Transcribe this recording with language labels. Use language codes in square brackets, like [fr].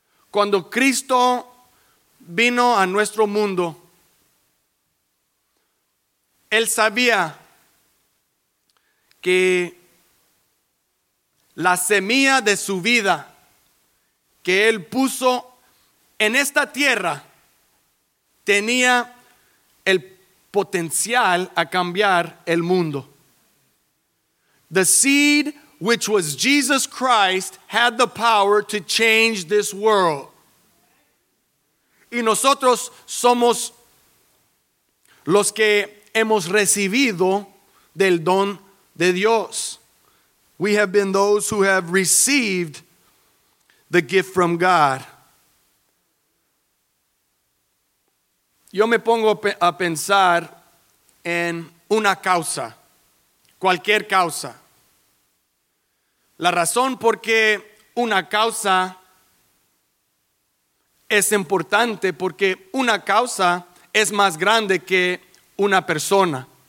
[es] Cuando Cristo vino a nuestro mundo, Él sabía que la semilla de su vida que Él puso en esta tierra tenía el potencial a cambiar el mundo. [en] The seed which was Jesus Christ had the power to change this world. [es] Y nosotros somos los que hemos recibido del don de Dios. [en] We have been those who have received the gift from God. [es] Yo me pongo a pensar en una causa, cualquier causa. La razón por qué una causa es importante, porque una causa es más grande que una persona.